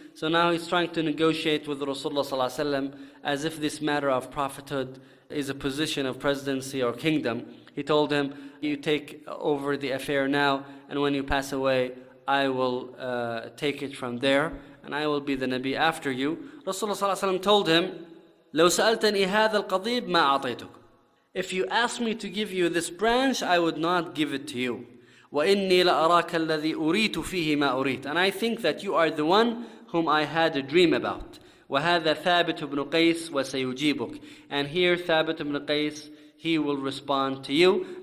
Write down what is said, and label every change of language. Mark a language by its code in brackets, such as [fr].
[en] So now he's trying to negotiate with Rasulullah صلى الله عليه وسلم as if this matter of prophethood is a position of presidency or kingdom. He told him, you take over the affair now, and when you pass away, I will take it from there, and I will be the Nabi after you. Rasulullah صلى الله عليه وسلم told him, [ar] لو سألتني هذا القضيب ما أعطيتك. [en] If you ask me to give you this branch, I would not give it to you. [ar] وإني لأراك الذي أريت فيه ما أريت. [en] And I think that you are the one whom I had a dream about. [ar] وَهَذَا ثَابِتُ بْنُ قَيْسِ وَسَيُجِيبُكُ. [en] And here ثَابِتُ بْنُ قَيْسِ, he will respond to you.